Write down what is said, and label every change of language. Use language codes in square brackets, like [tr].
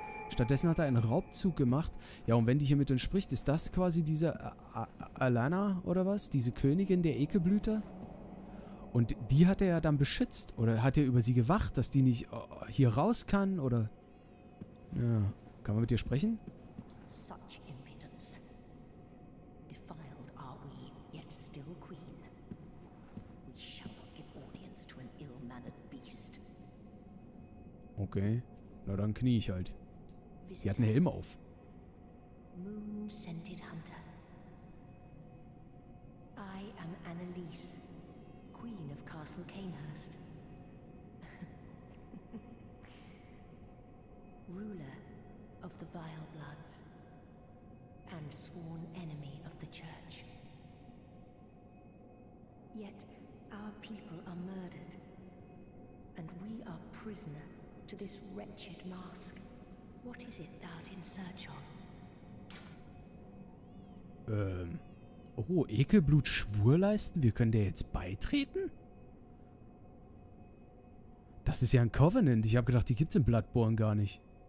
[de] Stattdessen hat er einen Raubzug gemacht. Ja, und wenn die hier mit uns spricht, ist das quasi diese Alana oder was? Diese Königin der Ekelblüter? Und die hat er ja dann beschützt. Oder hat er über sie gewacht, dass die nicht hier raus kann? Oder... Ja, kann man mit dir sprechen? [en] Such impudence. Defiled are we, yet still queen. We shall not give audience to an ill-mannered beast. [de] Okay, na dann knie ich halt. Sie hat einen Helm auf. Moon-scented Hunter. [en] I am Annalise, Queen of Castle Kanehurst. Ruler of the Vile Bloods. sworn enemy of the Church. Yet, our people are murdered, and we are prisoner to this wretched mask. What is it thou art in search of? [de] Oh, Ekelblut Schwur leisten? Wir können der jetzt beitreten? Das ist ja ein Covenant. Ich habe gedacht, die gibt's in Bloodborne gar nicht.